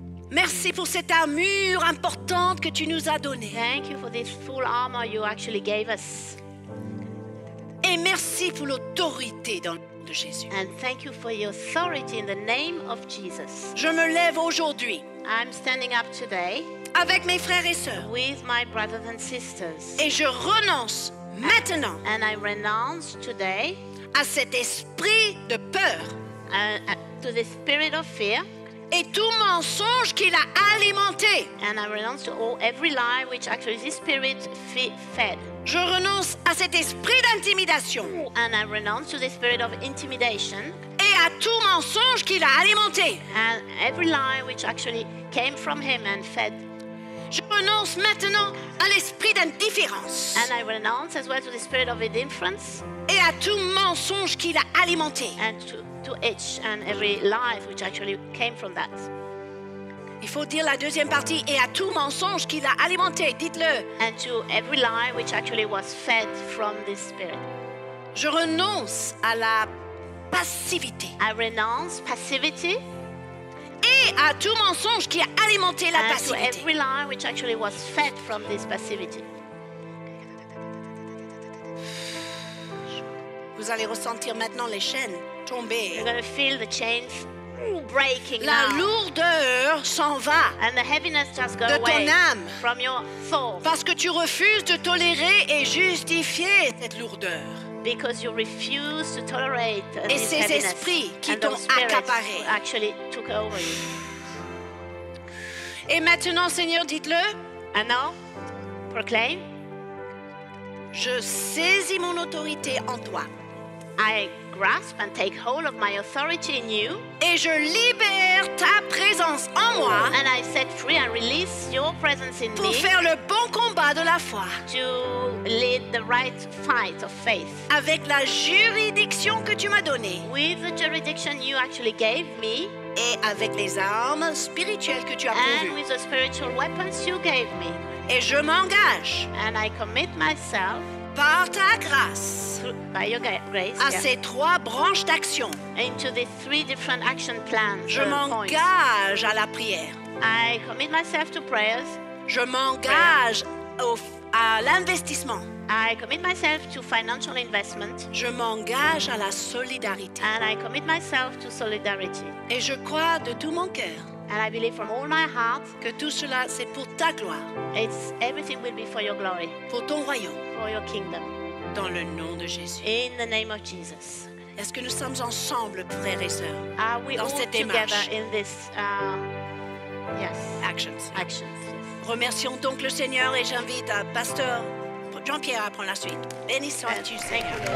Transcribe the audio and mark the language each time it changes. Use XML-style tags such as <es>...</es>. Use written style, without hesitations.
<fr>Merci pour cette armure importante que tu nous as donnée.</fr> <en>Thank you for this full armor you actually gave us.</en> <fr>Et merci pour l'autorité dans le nom de Jésus.</fr> <en>And thank you for your authority in the name of Jesus.</en> <fr>Je me lève aujourd'hui.</fr> <en>I'm standing up today.</en> <fr>Avec mes frères et sœurs.</fr> <en>With my brothers and sisters.</en> <fr>Et je renonce maintenant.</fr> <en>And I renounce today.</en> <fr>À cet esprit de peur.</fr> <en>To the spirit of fear.</en> <fr>Et tout mensonge qu'il a alimenté.</fr> <en>And I renounce to every lie which actually this spirit fed.</en> <fr>Je renonce à cet esprit d'intimidation.</fr> <en>And I renounce to the spirit of intimidation.</en> <fr>Et à tout mensonge qu'il a alimenté.</fr> <en>And every lie which actually came from him and fed.</en> <fr>Je renonce maintenant à l'esprit d'indifférence.</fr> <en>And I renounce as well to the spirit of indifference.</en> <fr>Et à tout mensonge qu'il a alimenté.</fr> <en>And to each and every lie which actually came from that.</en> <fr>Il faut dire la deuxième partie. Et à tout mensonge qu'il a alimenté, dites-le.</fr> <en>And to every lie which actually was fed from this spirit.</en> <fr>Je renonce à la passivité.</fr> <en>I renounce passivity.</en> <fr>Et à tout mensonge qui a alimenté la passivité.</fr> <en>And to every lie which actually was fed from this passivity.</en> <fr>Vous allez ressentir maintenant les chaînes tomber.</fr> <en>You're going to feel the chains breaking.</en> <fr>La lourdeur s'en va.</fr> <en>And the heaviness just goes</en> <fr>de</fr> <en>away</en> <fr>ton âme.</fr> <en>From your soul.</en> <fr>Parce que tu refuses de tolérer et justifier cette lourdeur.</fr> <en>Because you refuse to tolerate this heaviness.</en> <fr>Et ces esprits qui t'ont accaparé.</fr> <en>Actually took over you.</en> <fr>Et maintenant, Seigneur, dites-le.</fr> <en>And now, proclaim.</en> <fr>Je saisis mon autorité en toi.</fr> <en>I grasp and take hold of my authority in you.</en> <fr>Et je libère ta présence en moi.</fr> <en>And I set free and release your presence in</en> <fr>pour</fr> <en>me.</en> <fr>Pour faire le bon combat de la foi.</fr> <en>To lead the right fight of faith.</en> <fr>Avec la juridiction que tu m'as donnée.</fr> <en>With the jurisdiction you actually gave me.</en> <fr>et avec les armes spirituelles que tu as pourvues.</fr> <en>And with the spiritual weapons you gave me.</en> <fr>Et je m'engage.</fr> <en>And I commit myself.</en> <fr>Par ta grâce.</fr> <en>By your grace.</en> <fr>À ces trois branches d'action.</fr> <en>Into the three different action plans.</en> <fr>Je m'engage à la prière.</fr> <en>I commit myself to prayers.</en> <fr>Je m'engage à l'investissement.</fr> <en>I commit myself to financial investment.</en> <fr>Je m'engage à la solidarité.</fr> <en>And I commit myself to solidarity.</en> <fr>Et je crois de tout mon cœur.</fr> <en>And I believe from all my heart.</en> <fr>Que tout cela c'est pour ta gloire.</fr> <en>It's everything will be for your glory.</en> <fr>Pour ton royaume.</fr> <en>For your kingdom.</en> <fr>Dans le nom de Jésus.</fr> <en>In the name of Jesus.</en> <fr>Est-ce que nous sommes ensemble, frères et sœurs,</fr> <en>are we</en> <fr>dans</fr> <en>all</en> <fr>cette</fr> <en>together</en> <fr>démarche?</fr> <en>In this yes.</en> <fr>Actions.</fr> <en>Actions.</en> <fr>Remercions donc le Seigneur et j'invite à Pasteur Jean-Pierre à prendre la suite. Béni sois-tu, Seigneur.</fr>